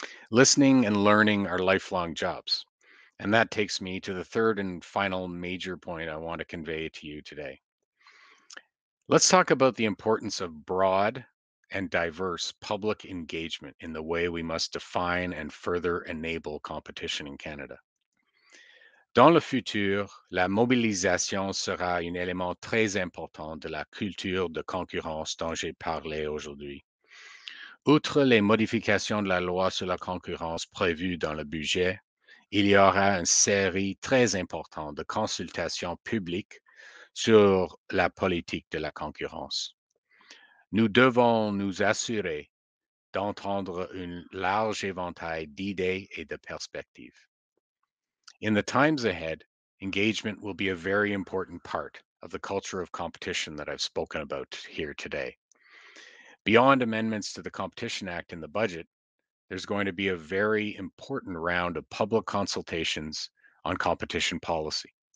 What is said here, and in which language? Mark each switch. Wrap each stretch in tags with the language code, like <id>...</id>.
<en>Listening and learning are lifelong jobs. And that takes me to the third and final major point I want to convey to you today. Let's talk about the importance of broad and diverse public engagement in the way we must define and further enable competition in Canada.</en> <fr>Dans le futur, la mobilisation sera un élément très important de la culture de concurrence dont j'ai parlé aujourd'hui. Outre les modifications de la loi sur la concurrence prévues dans le budget, il y aura une série très importante de consultations publiques sur la politique de la concurrence. Nous devons nous assurer d'entendre un large éventail d'idées et de perspectives.</fr> <en>In the times ahead, engagement will be a very important part of the culture of competition that I've spoken about here today. Beyond amendments to the Competition Act in the budget, there's going to be a very important round of public consultations on competition policy.</en>